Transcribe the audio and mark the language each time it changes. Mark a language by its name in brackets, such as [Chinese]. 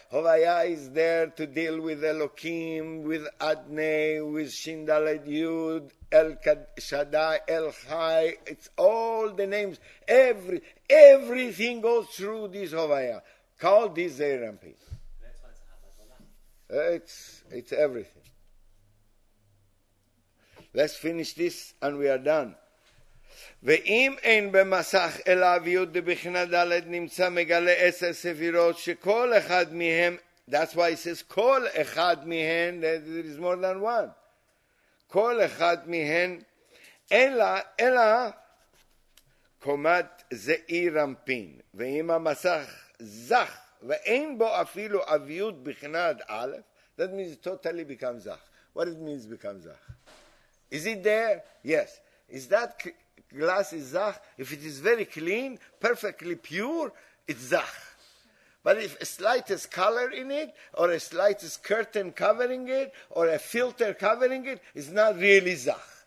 [English] Hovaya is there to deal with Elohim, with Adnei, with Shindal Yud, El Shaddai, El Chai. It's all the names. Everything goes through this Hovaya. Call this Zerampin. It's everything. Let's finish this and we are done. [Hebrew] ואם אין במסך אלא אביות דבחינה דלת נמצא מגלה עשר ספירות שכל אחד מהם, [English] that's why it says [Hebrew] כל אחד מהם, [English] there is more than one. [Hebrew] כל אחד מהם, אלא קומת זעיר אמפין. ואם המסך זך ואין בו אפילו אביות בחינה א', [English] that means it totally becomes zach. What it means becomes zach? Is it there? Yes. Is that glass is zach? If it is very clean, perfectly pure, it's zach. But if a slightest color in it, or a slightest curtain covering it, or a filter covering it, it's not really zach.